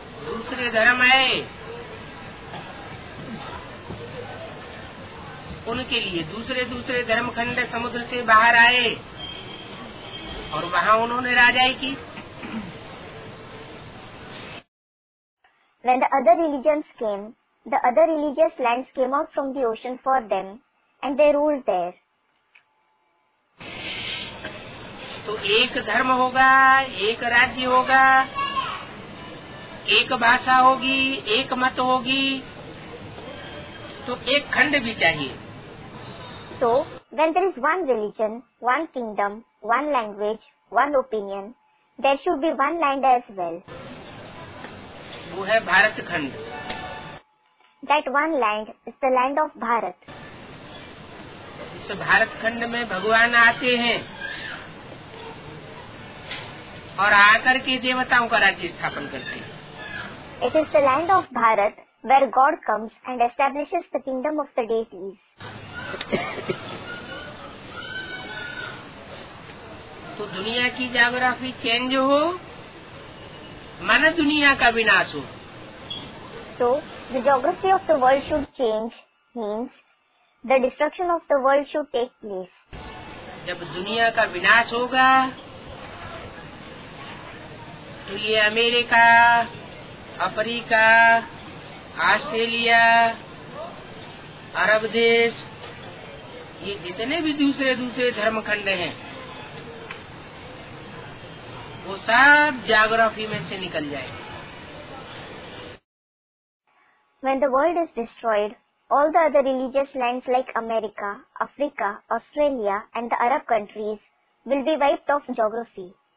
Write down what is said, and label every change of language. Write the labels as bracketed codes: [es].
[hi] दूसरे धर्म आए उनके लिए दूसरे दूसरे धर्म खंड समुद्र से बाहर आए और वहां उन्होंने राजाई की। [en] When the other religions came, the other religious lands came out from the ocean for them, and they ruled there. [hi] तो एक धर्म होगा, एक राज्य होगा, एक भाषा होगी, एक मत होगी, तो एक खंड भी चाहिए। [en] So, when there is one religion, one kingdom, one language, one opinion, there should be one land as well. [hi] वो है भारत खंड। [en] That one land is the land of Bharat. [hi] इस भारत खंड में भगवान आते हैं और आकर के देवताओं का राज्य स्थापन करते हैं। [en] It is the land of Bharat where God comes and establishes the kingdom of the deities. [hi] तो दुनिया की ज्योग्राफी चेंज हो माना दुनिया का विनाश हो। [en] So, the geography of the world should change means the destruction of the world should take place. [hi] जब दुनिया का विनाश होगा तो ये अमेरिका अफ्रीका ऑस्ट्रेलिया अरब देश ये जितने भी दूसरे दूसरे धर्म खंड हैं वो सब geography में से निकल जाएंगे। [en] When the world is destroyed, all the other religious lands like America, Africa, Australia and the Arab countries will be wiped off geography.